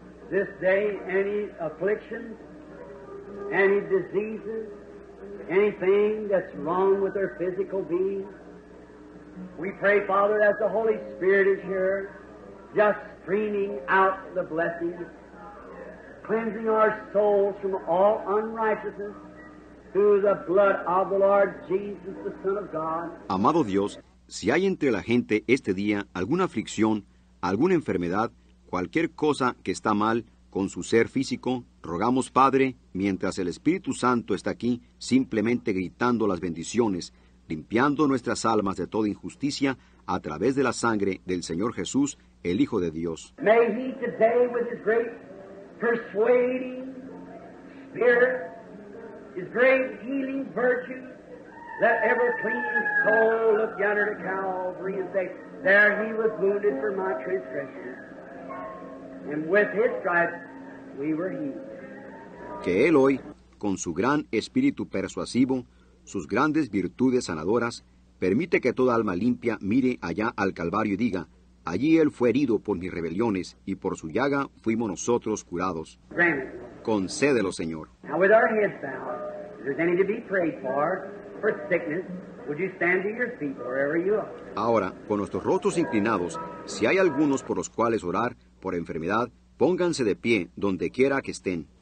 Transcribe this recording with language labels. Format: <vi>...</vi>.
<en>This day, any affliction, any diseases, anything that's wrong with their physical being, we pray, Father, as the Holy Spirit is here, just streaming out the blessings, cleansing our souls from all unrighteousness, through the blood of the Lord Jesus, the Son of God.</en> <es>Amado Dios, si hay entre la gente este día alguna aflicción, alguna enfermedad, cualquier cosa que está mal con su ser físico, rogamos, Padre, mientras el Espíritu Santo está aquí, simplemente gritando las bendiciones, limpiando nuestras almas de toda injusticia a través de la sangre del Señor Jesús, el Hijo de Dios.</es> <en>May he today with his great persuading spirit, his great healing virtue, let every clean soul look yonder to Calvary and say, there he was wounded for my transgressions. And with his stripes we were healed.</en> <es>Que él hoy, con su gran espíritu persuasivo, sus grandes virtudes sanadoras, permite que toda alma limpia mire allá al Calvario y diga, allí él fue herido por mis rebeliones y por su llaga fuimos nosotros curados. Concédelo, Señor.</es> <en>Now with our heads bowed, if there's any to be prayed for sickness, would you stand to your feet wherever you are?</en> <es>Ahora, con nuestros rostros inclinados, si hay algunos por los cuales orar por enfermedad, pónganse de pie donde quiera que estén.</es>